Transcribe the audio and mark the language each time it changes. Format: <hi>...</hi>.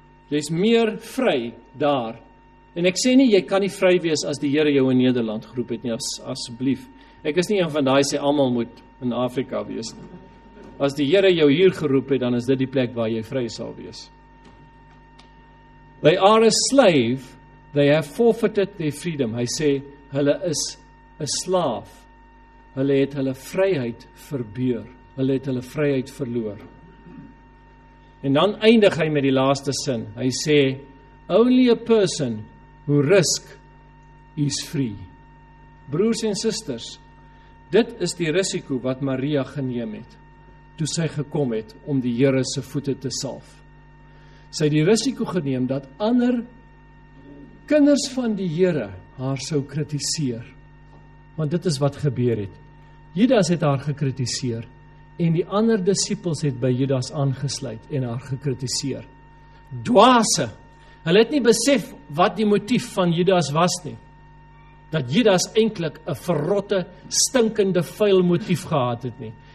<af>Jy is meer vry daar. En ek sê nie, jy kan nie vry wees as die Here jou in Nederland geroep het nie, asseblief. Ek is nie een van daai sê, almal moet in Afrika wees nie. As die Here jou hier geroep het, dan is dit die plek waar jy vry sal wees.</af> <en>They are a slave, they have forfeited their freedom.</en> <af>Hy sê, hulle is 'n slaaf. Hulle het hulle vryheid verbeur. Hulle het hulle vryheid verloor. En dan eindig hy met die laaste sin. Hy sê,</af> <en>only a person who risk is free.</en> <af>Broers en susters, dit is die risiko wat Maria geneem het, toe sy gekom het om die Here se voete te salf. Sy het die risiko geneem dat ander kinders van die Here haar sou kritiseer. Want dit is wat gebeur het. Judas het haar gekritiseer en die ander disippels het by Judas aangesluit en haar gekritiseer. Dwaase. Hulle het nie besef wat die motief van Judas was nie. Dat Judas eintlik 'n verrotte, stinkende, vuil motief gehad het nie.</af>